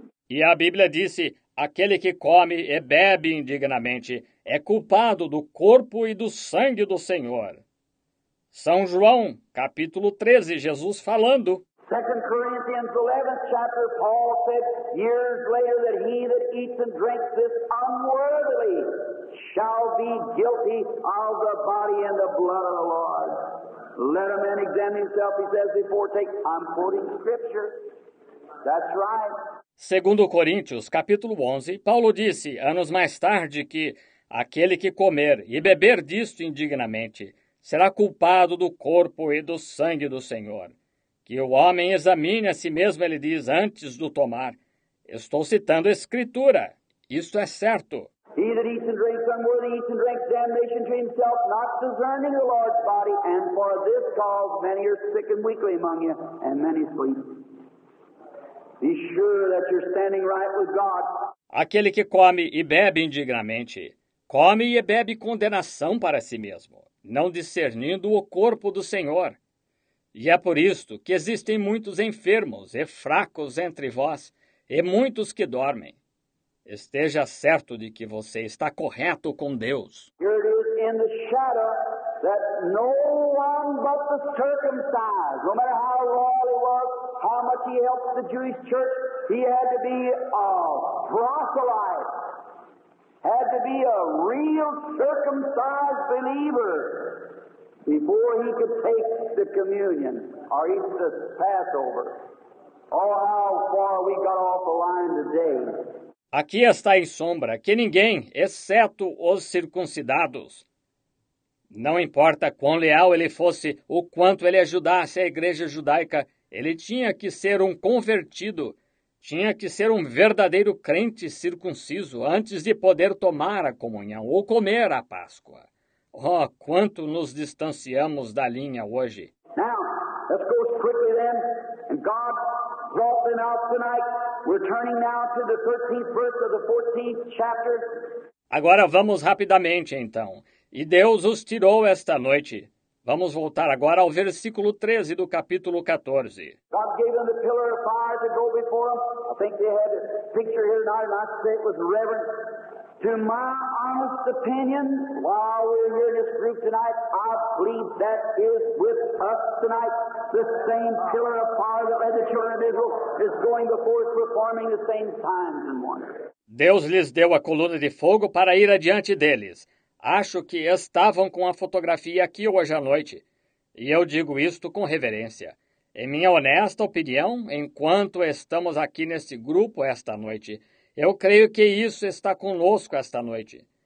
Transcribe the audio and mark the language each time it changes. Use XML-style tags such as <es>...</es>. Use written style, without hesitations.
<pt>E a Bíblia disse, aquele que come e bebe indignamente é culpado do corpo e do sangue do Senhor. São João, capítulo 13, Jesus falando.</pt> <en>2 Corinthians 11, chapter, Paul said years later that he that eats and drinks this unworthily shall be guilty of the body and the blood of the Lord. Let a man examine himself, he says, before take. I'm quoting scripture. That's right.</en> <pt>2 Coríntios, capítulo 11, Paulo disse, anos mais tarde, que aquele que comer e beber disto indignamente será culpado do corpo e do sangue do Senhor. Que o homem examine a si mesmo, ele diz, antes do tomar. Estou citando a Escritura. Isto é certo.</pt> <en>He that eats and drinks unworthy eats and drinks damnation to himself, not discerning the Lord's body, and for this cause many are sick and weakly among you, and many sleep. Be sure that you're standing right with God.</en> <pt>Aquele que come e bebe indignamente, come e bebe condenação para si mesmo, não discernindo o corpo do Senhor. E é por isto que existem muitos enfermos e fracos entre vós, e muitos que dormem. Esteja certo de que você está correto com Deus.</pt> <en>Here it is in the shadow that no one but the circumcised, no matter how royal he was, how much he helped the Jewish church, he had to be a proselyte, had to be a real circumcised believer before he could take the communion or eat the Passover. Oh, how far we got off the line today.</en> <pt>Aqui está em sombra que ninguém, exceto os circuncidados, não importa quão leal ele fosse ou quanto ele ajudasse a igreja judaica, ele tinha que ser um convertido, tinha que ser um verdadeiro crente circunciso antes de poder tomar a comunhão ou comer a Páscoa. Oh, quanto nos distanciamos da linha hoje.</pt> <en>Now, let's go quickly then. And God brought them out tonight. We're turning now to the 13th verse of the 14th chapter.</en> <pt>Agora vamos rapidamente então. E Deus os tirou esta noite. Vamos voltar agora ao versículo 13 do capítulo 14.</pt> <en>God gave them the pillar of fire to go before them. I think they had a picture here tonight, and I said it was reverent. To my honest opinion, while we're here in this group tonight, I believe that is with us tonight. The same pillar of fire that led the children of Israel is going before us, performing the same signs and wonders.</en> <pt>Deus lhes deu a coluna de fogo para ir adiante deles. acho que estavam com a fotografia aqui hoje à noite. E eu digo isto com reverência. Em minha honesta opinião, enquanto estamos aqui neste grupo esta noite, eu creio que isso está conosco esta noite.</pt>